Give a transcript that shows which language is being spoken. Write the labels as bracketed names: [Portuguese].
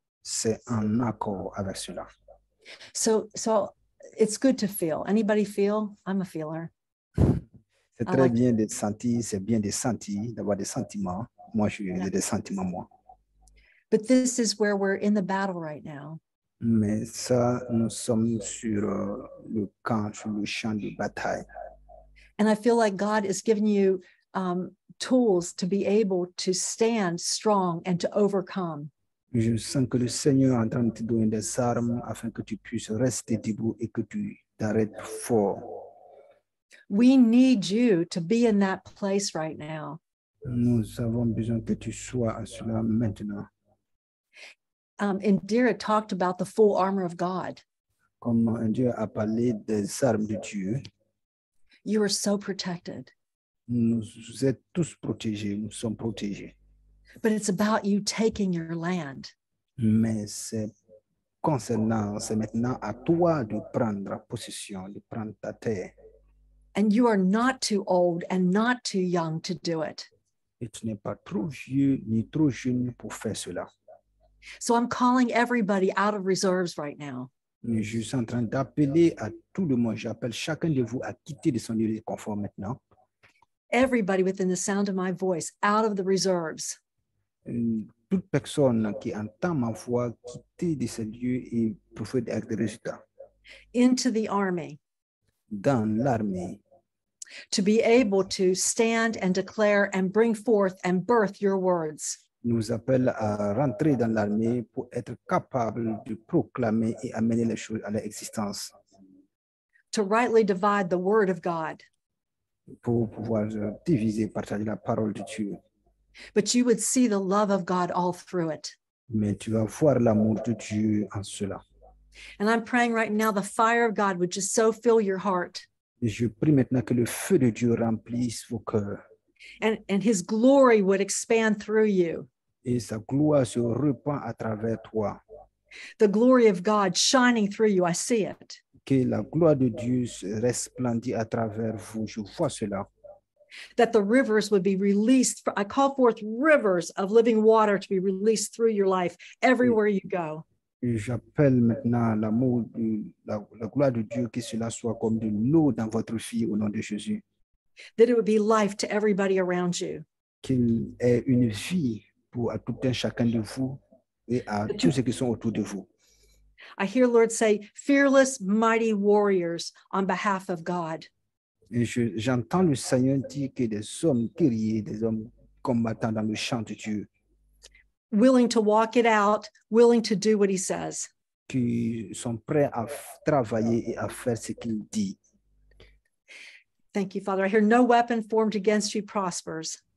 [French] C'est en accord avec cela. [English] So it's good to feel. Anybody feel? I'm a feeler. [French] C'est très bien de sentir, c'est bien de sentir, d'avoir des sentiments. Moi, je suis des sentiments, moi. [English] But this is where we're in the battle right now. [French] Mais ça, nous sommes sur le camp, sur le champ de bataille. [English] And I feel like God is giving you tools to be able to stand strong and to overcome. [French] Je sens que le Seigneur est en train de te donner des armes afin que tu puisses rester debout et que tu t'arrêtes fort. [English] We need you to be in that place right now. [French] Nous avons besoin que tu sois à cela maintenant. [English] Indira talked about the full armor of God. [French] Comme Indira a parlé des armes de Dieu. [English] You are so protected. [French] Nous êtes tous protégés, nous sommes protégés. [English] But it's about you taking your land. [French] Mais c'est concernant, c'est maintenant à toi de prendre possession, de prendre ta terre. [English] And you are not too old and not too young to do it. [French] Et tu n'es pas trop vieux ni trop jeune pour faire cela. [English] So I'm calling everybody out of reserves right now. [French] Mais je suis en train d'appeler à tout le monde. J'appelle chacun de vous à quitter de son lieu de confort maintenant. [English] Everybody within the sound of my voice, out of the reserves. [French] Toute personne qui entend ma voix quitter de ce lieu et profiter avec des résultats. [English] Into the army. [French] Dans l'armée. [English] To be able to stand and declare and bring forth and birth your words. [French] Nous appelle à rentrer dans l'armée pour être capable de proclamer et amener les choses à leur existence. [English] To rightly divide the word of God. [French] Pour pouvoir diviser, partager la parole de Dieu. [English] But you would see the love of God all through it. [French] Mais tu vas voir l'amour de Dieu en cela. [English] And I'm praying right now the fire of God would just so fill your heart. [French] Je prie maintenant que le feu de Dieu remplisse vos cœurs. [English] And his glory would expand through you. [French] Et sa gloire se répand à travers toi. [English] The glory of God shining through you, I see it. [French] Que la gloire de Dieu resplendit à travers vous, je vois cela. [English] That the rivers would be released. I call forth rivers of living water to be released through your life everywhere you go. [French] J'appelle maintenant l'amour, la gloire de Dieu, que cela soit comme de l'eau dans votre vie au nom de Jésus. [English] That it would be life to everybody around you. [French] Qu'il ait une vie pour à tout un chacun de vous et à tous ceux qui sont autour de vous. [English] I hear Lord say, fearless, mighty warriors on behalf of God. [French] Et j'entends le Seigneur dire que des hommes guerriers, des hommes combattants dans le champ de Dieu. [English] Willing to walk it out, willing to do what he says. [French] Qui sont prêts à travailler et à faire ce qu'il dit. [English] Thank you, Father. I hear no weapon formed against you prospers.